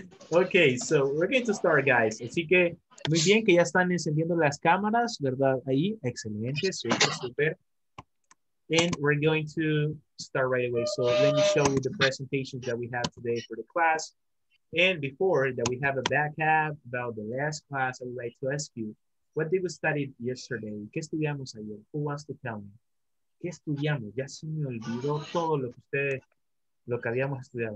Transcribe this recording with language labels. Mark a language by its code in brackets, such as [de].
[en] Okay, so we're going to start, guys. [es] Así que Muy bien, que ya están encendiendo las cámaras, ¿verdad? Ahí, excelente, súper, súper. [en] And we're going to start right away. So let me show you the presentations that we have today for the class. And before that, we have a backup about the last class. I would like to ask you, what did we study yesterday? [es] ¿Qué estudiamos ayer? [en] Who wants to tell me? [es] ¿Qué estudiamos? Ya se me olvidó todo lo que ustedes, lo que habíamos estudiado.